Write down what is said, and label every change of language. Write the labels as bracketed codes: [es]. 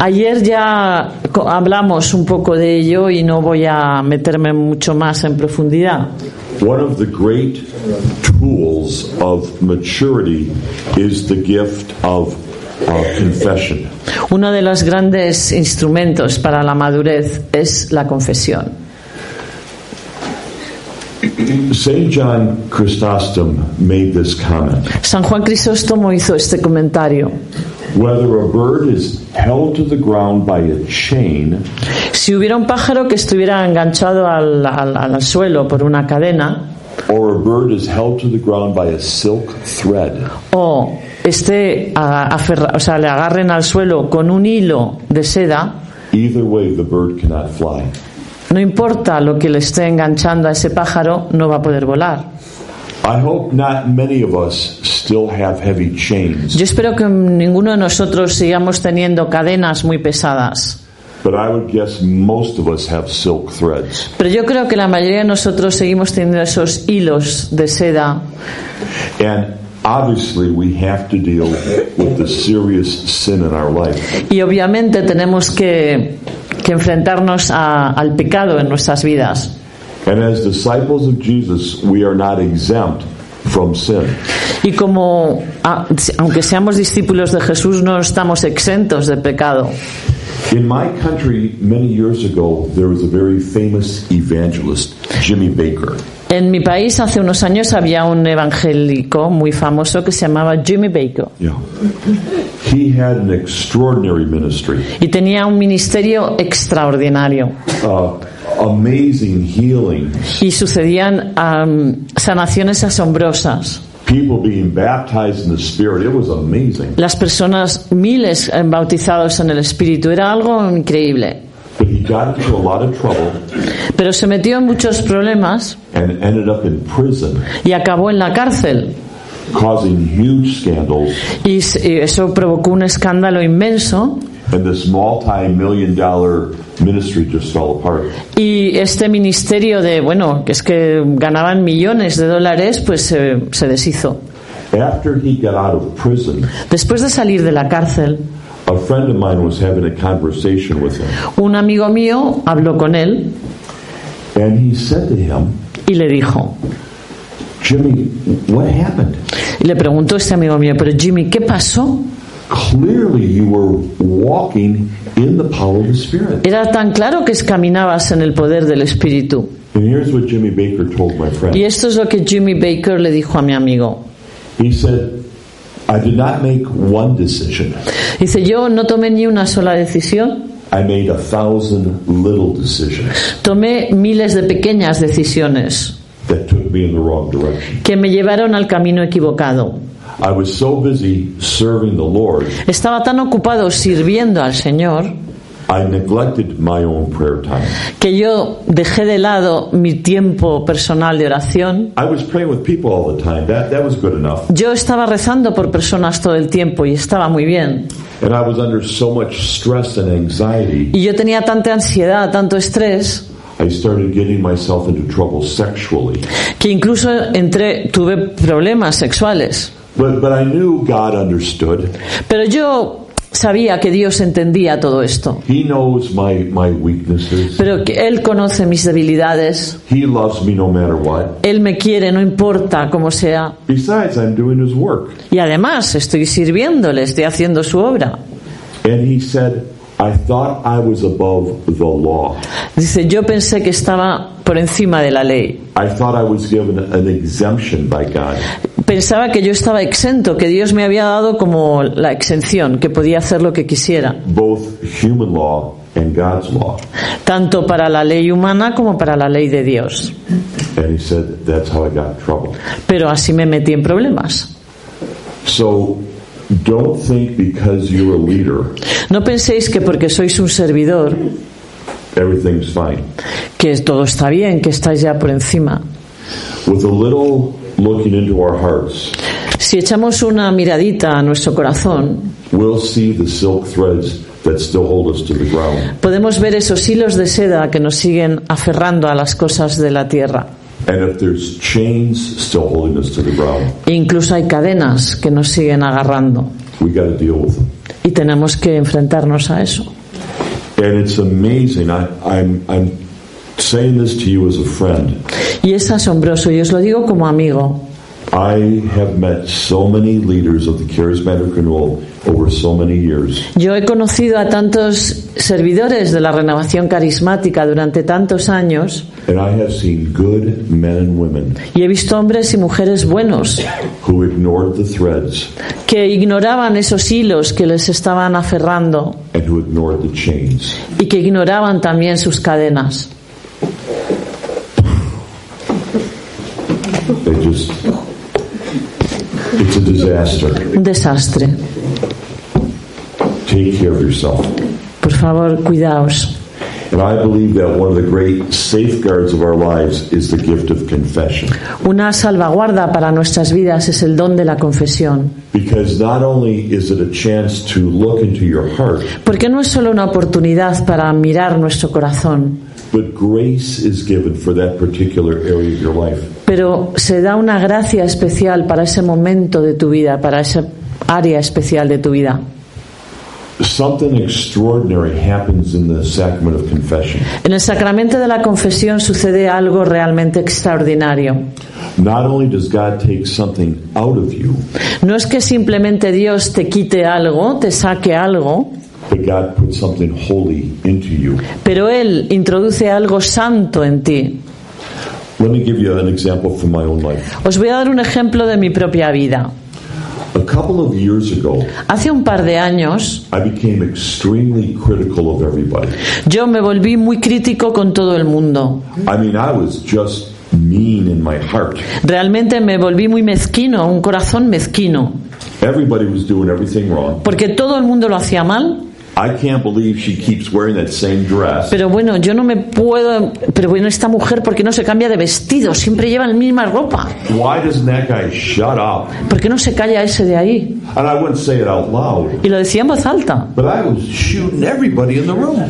[es] Ayer ya hablamos un poco de ello y no voy a meterme mucho más en profundidad. [en] One of the great tools of maturity is the gift of confession. [es] Uno de los grandes instrumentos para la madurez es la confesión. [en] Saint John Chrysostom made this comment. [es] San Juan Crisóstomo hizo este comentario. [en] Whether a bird is held to the ground by a chain, [es] si hubiera un pájaro que estuviera enganchado al suelo por una cadena, [en] or a bird is held to the ground by a silk thread, [es] o esté le agarren al suelo con un hilo de seda, [en] either way the bird cannot fly. [es] No importa lo que le esté enganchando a ese pájaro, no va a poder volar. [en] I hope not many of us still have heavy chains. [es] Yo espero que ninguno de nosotros sigamos teniendo cadenas muy pesadas. [en] But I would guess most of us have silk threads. [es] Pero yo creo que la mayoría de nosotros seguimos teniendo esos hilos de seda. [en] And obviously we have to deal with the serious sin in our life. [es] Y obviamente tenemos que enfrentarnos al pecado en nuestras vidas. [en] And as disciples of Jesus, we are not exempt from sin. [es] Y como aunque seamos discípulos de Jesús, no estamos exentos de pecado. [en] In my country, many years ago, there was a very famous evangelist, Jimmy Baker. [es] En mi país hace unos años había un evangélico muy famoso que se llamaba Jimmy Baker. [en] Yeah. He had an extraordinary ministry. [es] Y tenía un ministerio extraordinario. [en] Amazing healings. [es] Y sucedían sanaciones asombrosas. [en] People being baptized in the Spirit, it was amazing. [es] Las personas, miles bautizados en el Espíritu, era algo increíble. [en] But he got into a lot of trouble. [es] Pero se metió en muchos problemas. [en] And ended up in prison. [es] Y acabó en la cárcel. [en] Causing huge scandals. [es] Y eso provocó un escándalo inmenso. [en] And this multi-million dollar ministry just fell apart. [es] Y este ministerio que es que ganaban millones de dólares, pues se deshizo. [en] After he got out of prison, [es] después de salir de la cárcel, [en] a friend of mine was having a conversation with him. [es] Un amigo mío habló con él. [en] And he said to him, [es] y le dijo, [en] Jimmy, what happened? [es] Y le preguntó este amigo mío, pero Jimmy, ¿qué pasó? [en] Clearly you were walking in the power of the Spirit. [es] Era tan claro que caminabas en el poder del Espíritu. [en] And here's what Jimmy Baker told my friend. [es] Y esto es lo que Jimmy Baker le dijo a mi amigo. [en] He said, I did not make one decision. [es] Dice, yo no tomé ni una sola decisión. [en] I made 1,000 little decisions. [es] Tomé miles de pequeñas decisiones. [en] That took me in the wrong direction. [es] Que me llevaron al camino equivocado. [en] I was so busy serving the Lord. [es] Estaba tan ocupado sirviendo al Señor. [en] I neglected my own prayer time. [es] Que yo dejé de lado mi tiempo personal de oración. [en] I was praying with people all the time. That was good enough. [es] Yo estaba rezando por personas todo el tiempo y estaba muy bien. [en] And I was under so much stress and anxiety. [es] Y yo tenía tanta ansiedad, tanto estrés. [en] I started getting myself into trouble sexually. [es] Que incluso tuve problemas sexuales. [en] But I knew God understood. [es] Pero yo sabía que Dios entendía todo esto. [en] He knows my weaknesses. [es] Pero que Él conoce mis debilidades. [en] He loves me no matter what. [es] Él me quiere, no importa cómo sea. [en] Besides, I'm doing his work. [es] Y además, estoy sirviéndole, estoy haciendo su obra. [en] And he said, I thought I was above the law. [es] Dice, yo pensé que estaba por encima de la ley. [en] I thought I was given an exemption by God. [es] Pensaba que yo estaba exento, que Dios me había dado como la exención, que podía hacer lo que quisiera. [en] Both human law and God's law. [es] Tanto para la ley humana como para la ley de Dios. [en] And he said, that's how I got in trouble. [es] Pero así me metí en problemas. [en] So, don't think because you're a leader, [es] no penséis que porque sois un servidor, [en] everything's fine. [es] Que todo está bien, que estáis ya por encima. [en] With a little looking into our hearts, [es] si echamos una miradita a nuestro corazón, [en] we'll see the silk threads that still hold us to the ground. [es] Podemos ver esos hilos de seda que nos siguen aferrando a las cosas de la tierra. [en] And if there's chains still holding us to the ground, [es] incluso hay cadenas que nos siguen agarrando, [en] we got to deal with them. [es] Y tenemos que enfrentarnos a eso. [en] And it's amazing. I'm saying this to you as a friend. [es] Y es asombroso, y os lo digo como amigo. [en] I have met so many leaders of the Charismatic Renewal over so many years. [es] Yo he conocido a tantos servidores de la renovación carismática durante tantos años. [en] And I have seen good men and women. [es] Y he visto hombres y mujeres buenos. [en] Who ignored the threads. [es] Que ignoraban esos hilos que les estaban aferrando. [en] And who ignored the chains. [es] Y que ignoraban también sus cadenas. [en] It's a disaster. [es] Un desastre. [en] Take care of yourself. [es] Por favor, cuidaos. [en] And I believe that one of the great safeguards of our lives is the gift of confession. [es] Una salvaguarda para nuestras vidas es el don de la confesión. [en] Because not only is it a chance to look into your heart. [es] Porque no es solo una oportunidad para mirar nuestro corazón. [en] But grace is given for that particular area of your life. [es] Pero se da una gracia especial para ese momento de tu vida, para esa área especial de tu vida. [en] Something extraordinary happens in the sacrament of confession. [es] En el sacramento de la confesión sucede algo realmente extraordinario. [en] Not only does God take something out of you, [es] no es que simplemente Dios te quite algo, te saque algo, [en] but God puts something holy into you. [es] Pero Él introduce algo santo en ti. [en] Let me give you an example from my own life. [es] Os voy a dar un ejemplo de mi propia vida. [en] A couple of years ago, [es] hace un par de años, [en] I became extremely critical of everybody. [es] Yo me volví muy crítico con todo el mundo. [en] I mean, I was just mean in my heart. [es] Realmente me volví muy mezquino, un corazón mezquino. [en] Everybody was doing everything wrong. [es] Porque todo el mundo lo hacía mal. [en] I can't believe she keeps wearing that same dress. [es] Pero bueno, yo no me puedo. Pero bueno, esta mujer, ¿por qué no se cambia de vestido? Siempre lleva la misma ropa. [en] Why doesn't that guy shut up? [es] ¿Por qué no se calla ese de ahí? [en] And I wouldn't say it out loud. [es] Y lo decía en voz alta. [en] But I was shooting everybody in the room.